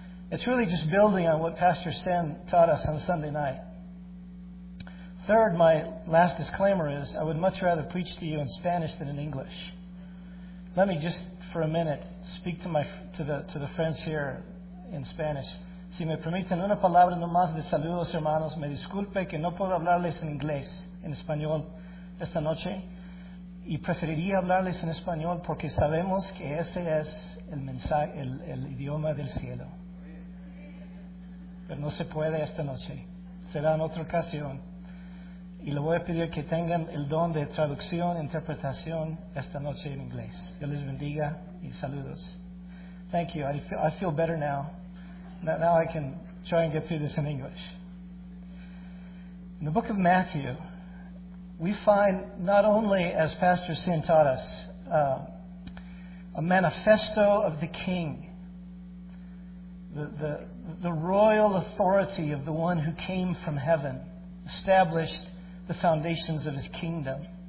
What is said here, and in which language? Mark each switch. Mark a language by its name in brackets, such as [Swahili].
[English] It's really just building on what Pastor Sin taught us on Sunday night. Third, my last disclaimer is I would much rather preach to you in Spanish than in English. Let me just for a minute speak to the friends here in Spanish. [Spanish] Si me permiten una palabra nomás de saludos, hermanos, me disculpe que no puedo hablarles en inglés, en español, esta noche. Y preferiría hablarles en español porque sabemos que ese es el idioma del cielo. Pero no se puede esta noche. Será en otra ocasión. Y le voy a pedir que tengan el don de traducción, interpretación, esta noche en inglés. Dios les bendiga y saludos. [English] Thank you. I feel better now. Now I can try and get through this in English. In the book of Matthew, we find not only, as Pastor Sin taught us, a manifesto of the King, the royal authority of the one who came from heaven, established the foundations of his kingdom.